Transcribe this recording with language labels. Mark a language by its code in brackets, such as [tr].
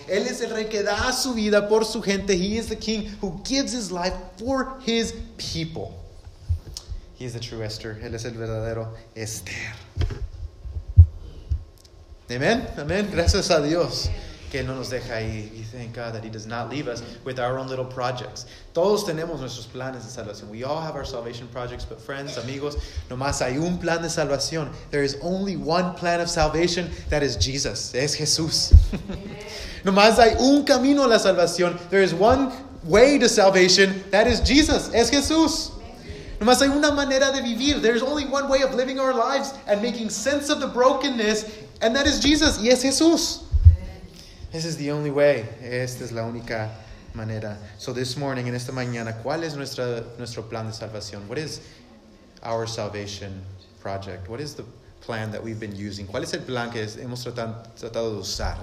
[es] Él es el rey que da su vida por su gente. [en] He is the king who gives his life for his people. He is the true Esther. [es] Él es el verdadero Esther. [en] Amen. Amen. [es] Gracias a Dios que no nos deja ahí. [en] We thank God that he does not leave us with our own little projects. [es] Todos tenemos nuestros planes de salvación. [en] We all have our salvation projects, but friends, [es] amigos, nomás hay un plan de salvación. [en] There is only one plan of salvation, that is Jesus. [es] Es Jesús. Nomás hay un camino a la salvación. [en] There is one way to salvation, that is Jesus. [es] Es Jesús. Nomás hay una manera de vivir. [en] There is only one way of living our lives and making sense of the brokenness, and that is Jesus. [es] Y es Jesús. [en] This is the only way. [es] Esta es la única manera. [en] So this morning, [es] en esta mañana, ¿cuál es nuestro plan de salvación? [en] What is our salvation project? What is the plan that we've been using? ¿Cuál es el plan que hemos tratado de usar?